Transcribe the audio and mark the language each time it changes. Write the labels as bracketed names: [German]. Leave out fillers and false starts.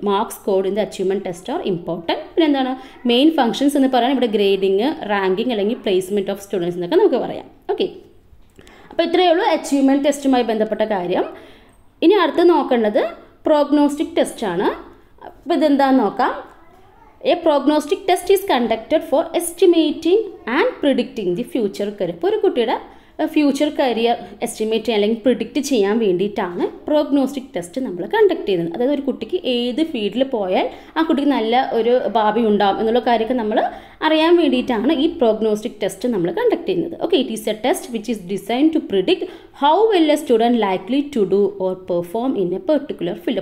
[Malayalam] Marks കോഡിൻ്റെ achievement test are important. പിന്നെ എന്താണ് main functions എന്ന് പറയുന്നത് ഇവിടെ ഗ്രേഡിങ് റാങ്കിങ് അല്ലെങ്കിൽ [English] placement of students [Malayalam] എന്നൊക്കെ നമുക്ക് പറയാം. ഓക്കെ, അപ്പോൾ ഇത്രയേ ഉള്ളൂ അച്ചീവ്മെന്റ് ടെസ്റ്റുമായി ബന്ധപ്പെട്ട കാര്യം. ഇനി അടുത്ത് നോക്കേണ്ടത് പ്രോഗ്നോസ്റ്റിക് ടെസ്റ്റാണ്. അപ്പോൾ ഇതെന്താന്ന് നോക്കാം. [English] A prognostic test is conducted for estimating and predicting the future career. [Malayalam] ഇപ്പോൾ ഒരു കുട്ടിയുടെ ഫ്യൂച്ചർ കരിയർ എസ്റ്റിമേറ്റ് അല്ലെങ്കിൽ പ്രിഡിക്റ്റ് ചെയ്യാൻ വേണ്ടിയിട്ടാണ് പ്രോഗ്നോസ്റ്റിക് ടെസ്റ്റ് നമ്മൾ കണ്ടക്ട് ചെയ്യുന്നത്. അതായത് ഒരു കുട്ടിക്ക് ഏത് ഫീൽഡിൽ പോയാൽ ആ കുട്ടിക്ക് നല്ല ഒരു ഭാവി ഉണ്ടാകും എന്നുള്ള കാര്യമൊക്കെ നമ്മൾ അറിയാൻ വേണ്ടിയിട്ടാണ് ഈ പ്രോഗ്നോസ്റ്റിക് ടെസ്റ്റ് നമ്മൾ കണ്ടക്ട് ചെയ്യുന്നത്. [English] Okay, it is a test which is design to predict how well a student likely to do or perform in a particular field.